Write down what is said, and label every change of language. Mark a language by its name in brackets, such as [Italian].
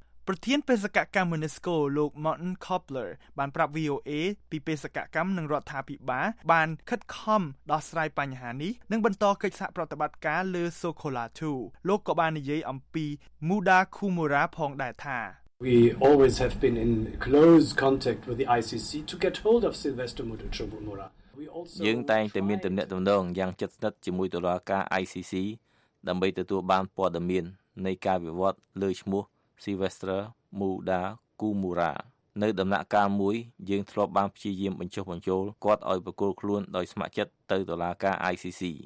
[Khmer] ប្រធានបេសកកម្ម UNESCO លោក Martin Kobler បានប្រាប់ VOA ពីបេសកកម្មនឹងរដ្ឋាភិបាលបានខិតខំដោះស្រាយបញ្ហានេះនិងបន្តកិច្ចសហប្រតិបត្តិការលើ Sokola 2លោកក៏បាននិយាយអំពី Muda Kumura ផងដែរថា [English] We always have been in close contact with the ICC to get hold of Sylvester Muda Kumura. [Khmer] យើងតែងតែមានទំនាក់ទំនងយ៉ាងជិតស្និទ្ធជាមួយតុលាការ ICC ដើម្បីទទួលបានព័ត៌មាននៃការវិវត្តលើឈ្មោះSylvester Muda Kumura នៅដំណាក់កាលមួយយើងធ្លាប់បានព្យាយាមបញ្ចុះបញ្ចូលគាត់ឲ្យប្រគល់ខ្លួនដោយស្ម័គ្រចិត្តទៅតុលាការ ICC